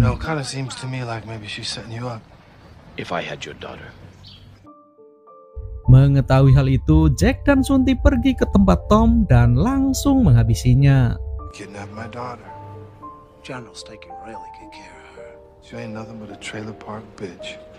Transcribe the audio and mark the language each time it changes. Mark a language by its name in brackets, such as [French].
[English] No, it kind of seems to me like maybe she's setting you up. If I had your daughter. [Indonesian] Mengetahui hal itu, Jack dan Sunti pergi ke tempat Tom dan langsung menghabisinya. [English] Kidnap my daughter. General's taking really good care of her. She ain't nothing but a trailer park bitch.